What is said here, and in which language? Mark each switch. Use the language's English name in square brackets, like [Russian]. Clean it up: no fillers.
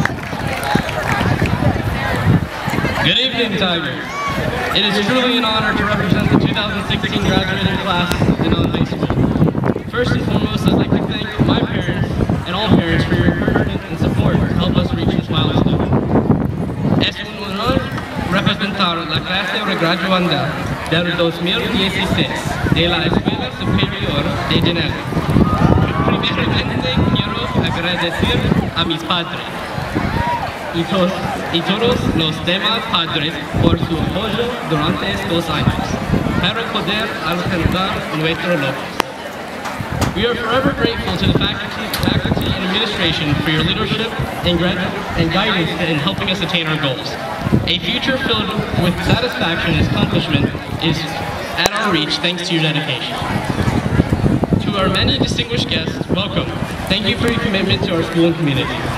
[English] Good evening, Tigers. It is truly an honor to represent the 2016 graduating class in Allen High School. First and foremost, I'd like to thank my parents and all parents for your encouragement and support to help us reach this milestone. [Spanish] Es un honor representar la clase graduanda del 2016 de la Escuela Superior de Dunnellon. Primeramente, quiero agradecer a mis padres y todos los demás padres por su apoyo durante estos años para poder alcanzar nuestro logro. [English] We are forever grateful to the faculty and administration for your leadership and guidance in helping us attain our goals. A future filled with satisfaction and accomplishment is at our reach thanks to your dedication. To our many distinguished guests, welcome. Thank you for your commitment to our school and community.